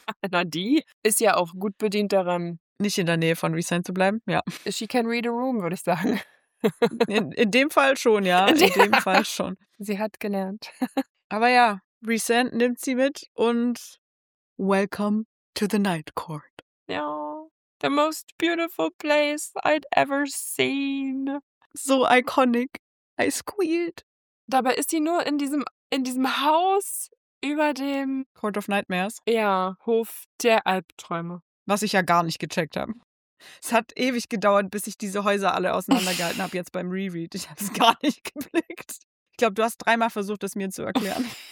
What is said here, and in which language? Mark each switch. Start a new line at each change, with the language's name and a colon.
German: Na, die ist ja auch gut bedient daran, nicht in der Nähe von Resent zu bleiben, ja.
English: She can read a room,
German: würde ich sagen. In dem Fall schon, ja. In dem Fall schon. Sie hat gelernt. Aber ja. Resent nimmt sie mit und
English: welcome to the Night Court.
German: Ja,
English: the most beautiful place I'd ever seen. So iconic. I squealed.
German: Dabei ist sie nur in diesem Haus über dem
English: Court of Nightmares.
German: Ja, Hof der Albträume. Was ich ja gar nicht gecheckt habe. Es hat ewig gedauert, bis ich diese Häuser alle auseinandergehalten habe jetzt beim Reread. Ich habe es gar nicht geblickt. Ich glaube, du hast dreimal versucht, es mir zu erklären.